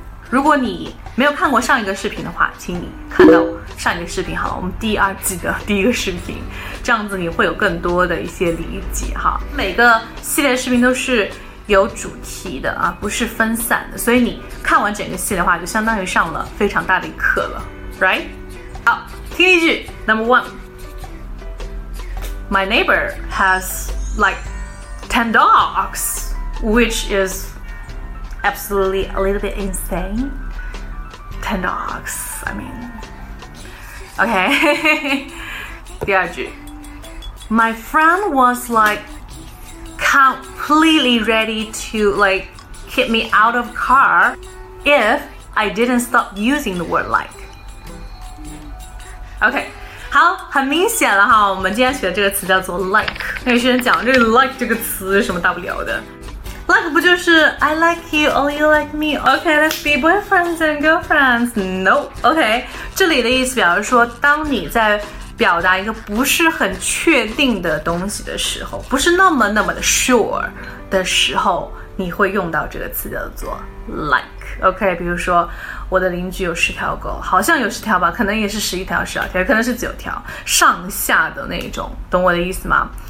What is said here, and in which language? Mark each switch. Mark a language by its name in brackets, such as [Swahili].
[Chinese] 如果你没有看过上一个视频的话，请你看到上一个视频好了，我们第二季的第一个视频，这样子你会有更多的一些理解哈。每个系列视频都是有主题的啊，不是分散的，所以你看完整个戏的话，就相当于上了非常大的一课了 ， [English] right？ [Chinese] 好，听一句 [English] ，Number one，My neighbor has like 10 dogs， which is absolutely a little bit insane。 10 dogs， I mean， OK [Chinese] 第二句 [English] ，My friend was like。 Completely ready to like kick me out of car if I didn't stop using the word like. [Chinese] Okay, 好，很明显了哈，我们今天学的这个词叫做 like。那有些人讲这个 like 这个词有什么大不了的 ？Like 不就是 [English] I like you, or you like me? Okay, let's be boyfriends and girlfriends. No, okay. [Chinese] 这里的意思表示说，当你在表达一个不是很确定的东西的时候，不是那么的 sure 的时候，你会用到这个词叫做 like。 OK， 比如说我的邻居有十条狗，好像有十条吧，可能也是十一条十二条，可能是九条上下的那种，懂我的意思吗？